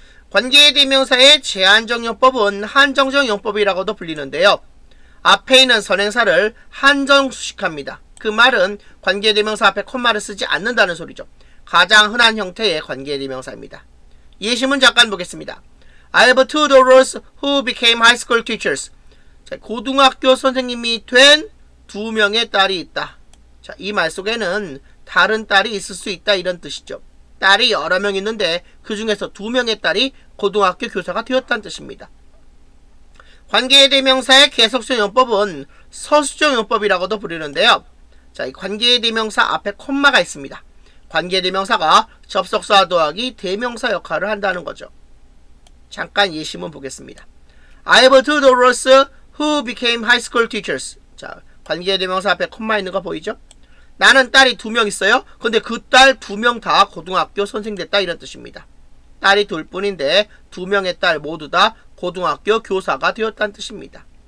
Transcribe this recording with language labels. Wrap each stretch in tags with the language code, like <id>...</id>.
<ko>관계대명사의 제한적 용법은 한정적 용법이라고도 불리는데요. 앞에 있는 선행사를 한정수식합니다. 그 말은 관계대명사 앞에 콤마를 쓰지 않는다는 소리죠. 가장 흔한 형태의 관계대명사입니다. 예시문 잠깐 보겠습니다.</ko> <en>I have two daughters who became high school teachers.</en> <ko>자, 고등학교 선생님이 된 두 명의 딸이 있다. 자, 이 말 속에는 다른 딸이 있을 수 있다 이런 뜻이죠. 딸이 여러 명 있는데 그 중에서 두 명의 딸이 고등학교 교사가 되었다는 뜻입니다. 관계 대명사의 계속성 용법은 서술형 용법이라고도 부르는데요. 자, 이 관계 대명사 앞에 콤마가 있습니다. 관계 대명사가 접속사 더하기 대명사 역할을 한다는 거죠. 잠깐 예시문 보겠습니다.</ko> <en>I have two daughters who became high school teachers.</en> <ko>자, 관계 대명사 앞에 콤마 있는 거 보이죠? 나는 딸이 두 명 있어요. 근데 그 딸 두 명 다 고등학교 선생 됐다 이런 뜻입니다. 딸이 둘 뿐인데 두 명의 딸 모두 다 고등학교 교사가 되었다는 뜻입니다.</ko>